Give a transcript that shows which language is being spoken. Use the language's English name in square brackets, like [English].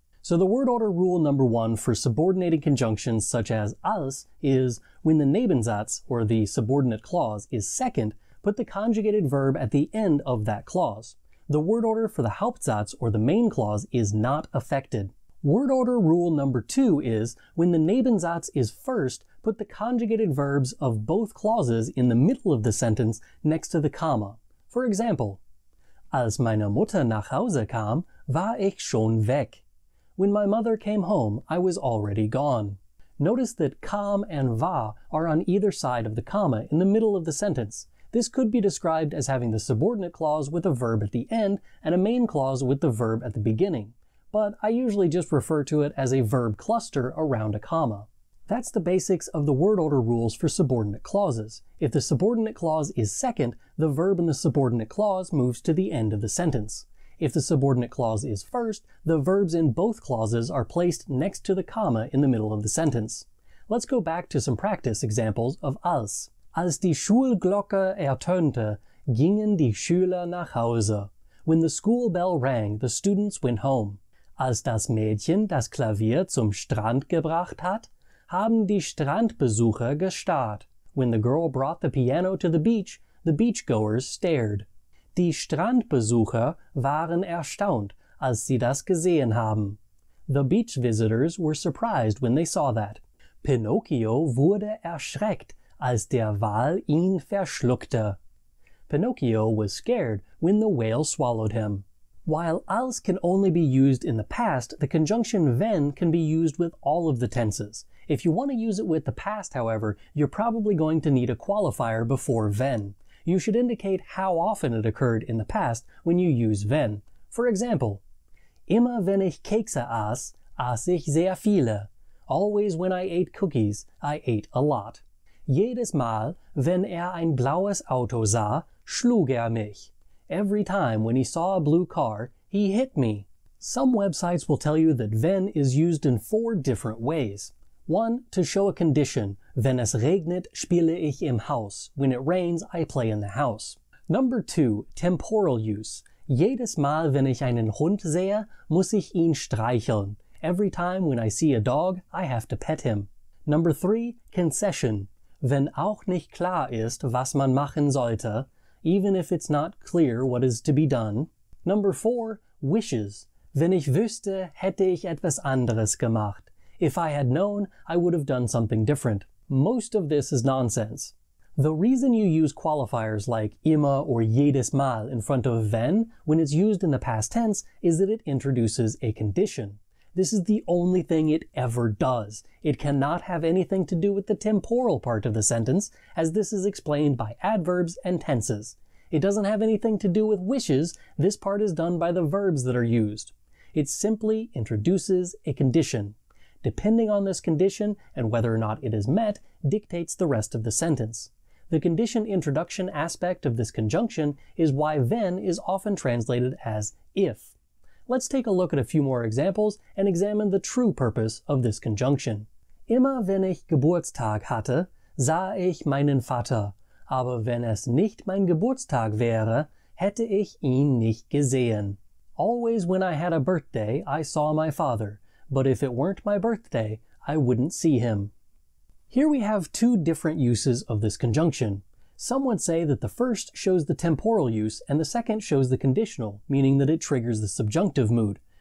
[English] So the word order rule number one for subordinating conjunctions such as als is when the Nebensatz, or the subordinate clause, is second, put the conjugated verb at the end of that clause. The word order for the Hauptsatz, or the main clause, is not affected. Word order rule number two is, when the Nebensatz is first, put the conjugated verbs of both clauses in the middle of the sentence next to the comma. For example, [German] als meine Mutter nach Hause kam, war ich schon weg. [English] When my mother came home, I was already gone. Notice that kam and war are on either side of the comma in the middle of the sentence. This could be described as having the subordinate clause with a verb at the end and a main clause with the verb at the beginning. But I usually just refer to it as a verb cluster around a comma. That's the basics of the word order rules for subordinate clauses. If the subordinate clause is second, the verb in the subordinate clause moves to the end of the sentence. If the subordinate clause is first, the verbs in both clauses are placed next to the comma in the middle of the sentence. Let's go back to some practice examples of als. [German] Als die Schulglocke ertönte, gingen die Schüler nach Hause. [English] When the school bell rang, the students went home. [German] Als das Mädchen das Klavier zum Strand gebracht hat, haben die Strandbesucher gestarrt. [English] When the girl brought the piano to the beachgoers stared. [German] Die Strandbesucher waren erstaunt, als sie das gesehen haben. [English] The beach visitors were surprised when they saw that. [German] Pinocchio wurde erschreckt, als der Wal ihn verschluckte. [English] Pinocchio was scared when the whale swallowed him. While als can only be used in the past, the conjunction wenn can be used with all of the tenses. If you want to use it with the past, however, you're probably going to need a qualifier before wenn. You should indicate how often it occurred in the past when you use wenn. For example, [German] immer wenn ich Kekse aß, aß ich sehr viele. [English] Always when I ate cookies, I ate a lot. [German] Jedes Mal, wenn ein blaues Auto sah, schlug mich. [English] Every time when he saw a blue car, he hit me. Some websites will tell you that wenn is used in four different ways. One, to show a condition. [German] Wenn es regnet, spiele ich im Haus. [English] When it rains, I play in the house. Number two, temporal use. [German] Jedes Mal, wenn ich einen Hund sehe, muss ich ihn streicheln. [English] Every time when I see a dog, I have to pet him. Number three, concession. [German] Wenn auch nicht klar ist, was man machen sollte, [English] even if it's not clear what is to be done. Number four, wishes. [German] Wenn ich wüsste, hätte ich etwas anderes gemacht. [English] If I had known, I would have done something different. Most of this is nonsense. The reason you use qualifiers like immer or jedes Mal in front of wenn, when it's used in the past tense, is that it introduces a condition. This is the only thing it ever does. It cannot have anything to do with the temporal part of the sentence, as this is explained by adverbs and tenses. It doesn't have anything to do with wishes. This part is done by the verbs that are used. It simply introduces a condition. Depending on this condition and whether or not it is met dictates the rest of the sentence. The condition introduction aspect of this conjunction is why wenn is often translated as if. Let's take a look at a few more examples and examine the true purpose of this conjunction. [German] Immer wenn ich Geburtstag hatte, sah ich meinen Vater. Aber wenn es nicht mein Geburtstag wäre, hätte ich ihn nicht gesehen. [English] Always when I had a birthday, I saw my father. But if it weren't my birthday, I wouldn't see him. Here we have two different uses of this conjunction. Some would say that the first shows the temporal use and the second shows the conditional, meaning that it triggers the subjunctive mood.